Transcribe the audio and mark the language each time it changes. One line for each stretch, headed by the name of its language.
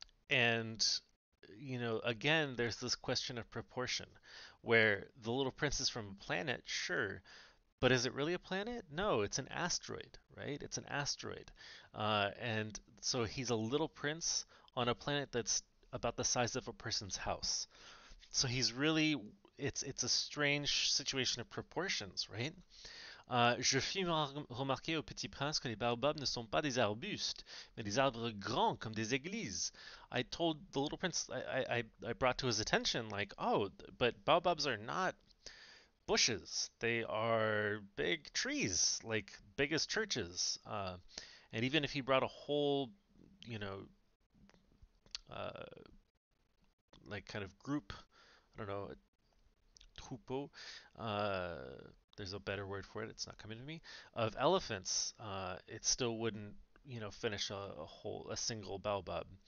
English: And you know, again, there's this question of proportion, where the little prince is from a planet, sure, but is it really a planet? No, it's an asteroid, right? It's an asteroid. And so he's a little prince on a planet that's about the size of a person's house. So he's really, it's a strange situation of proportions, right?
French: Je fis remarquer au petit prince que les baobabs ne sont pas des arbustes, mais des arbres grands comme des églises.
English: I told the little prince, I brought to his attention, like, oh, but baobabs are not bushes. They are big trees, like big as churches. And even if he brought a whole, you know, like kind of group, I don't know, troupeau, there's a better word for it, it's not coming to me, of elephants, it still wouldn't, you know, finish a single baobab.